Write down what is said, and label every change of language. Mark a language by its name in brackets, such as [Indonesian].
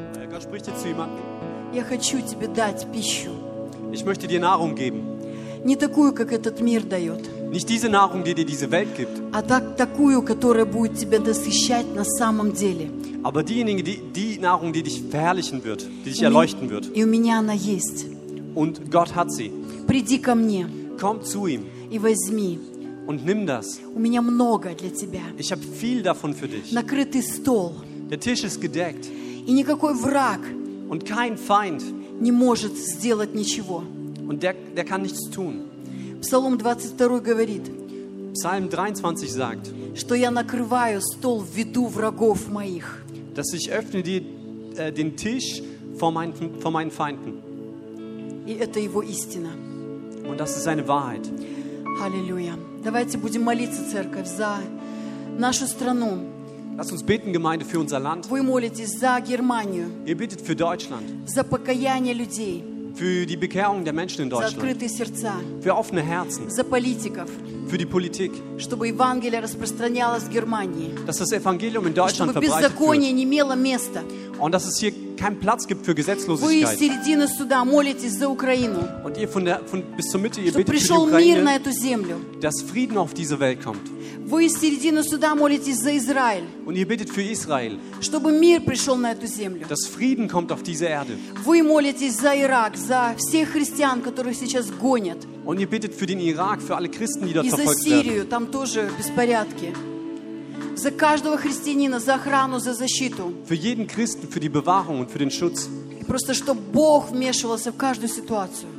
[German] Gott spricht jetzt zu ihm. [Russian] Я хочу тебе дать пищу. [German] Ich möchte dir Nahrung geben. [Russian] Не такую, как этот мир дает. [German] Nicht diese Nahrung, die dir diese Welt gibt. [Russian] А такую, которая будет тебя насыщать на самом деле. [German] Aber diejenige, die Nahrung, die dich verherrlichen wird, die dich erleuchten wird. [Russian] И у меня она есть. [German] Und Gott hat sie. [Russian] Приди ко мне. [German] Komm zu ihm. [Russian] И возьми. [German] Und nimm das. [Russian] У меня много для тебя. [German] Ich habe viel davon für dich. [Russian] Накрытый стол. [German] Der Tisch ist gedeckt. [Russian] И никакой враг. [German] Und kein Feind. [Russian] Не может сделать ничего. [German] Und der kann nichts tun. [Russian] Псалом 22 говорит. [German] Psalm 23 sagt. [Russian] Что я накрываю стол в виду врагов моих. [German] Dass ich öffne den Tisch vor meinen Feinden. [Russian] И это его истина. [German] Und das ist seine Wahrheit. Halleluja. [Russian] Давайте будем молиться, церковь, за нашу страну. [German] Lass uns beten, Gemeinde, für unser Land. [Russian] Вы молитесь за Германию. [German] Ihr betet für Deutschland. [Russian] За покаяние людей. [German] Für die Bekehrung der Menschen in Deutschland. [Russian] За открытые сердца. [German] Für offene Herzen. [Russian] За политиков. [German] Für die Politik. [Russian] Чтобы Евангелие распространялось в Германии. [German] Dass das Evangelium in Deutschland verbreitet wird. [Russian] Чтобы беззаконие не имело места. [German] Und dass es hier keinen Platz gibt für Gesetzlosigkeit. [Russian] Вы из середины сюда молитесь за Украину. [German] Und ihr von bis zur Mitte ihr betet für die Ukraine. [Russian] Мир на эту землю. [German] Dass Frieden auf diese Welt kommt. [Russian] Вы из середины сюда молитесь за Израиль. [German] Und ihr betet für Israel. [Russian] Чтобы мир пришел на эту землю. [German] Dass Frieden kommt auf diese Erde. [Russian] Вы молитесь за Ирак, за всех христиан, которых сейчас гонят. [German] Und ihr betet für den Irak, für alle Christen, die dort verfolgt werden. [Russian] И за Сирию, там тоже беспорядки. За каждого христианина, за охрану, за защиту. [German] Für jeden Christen, für die Bewahrung und für den Schutz. [Russian] Просто чтобы Бог вмешивался в каждую ситуацию.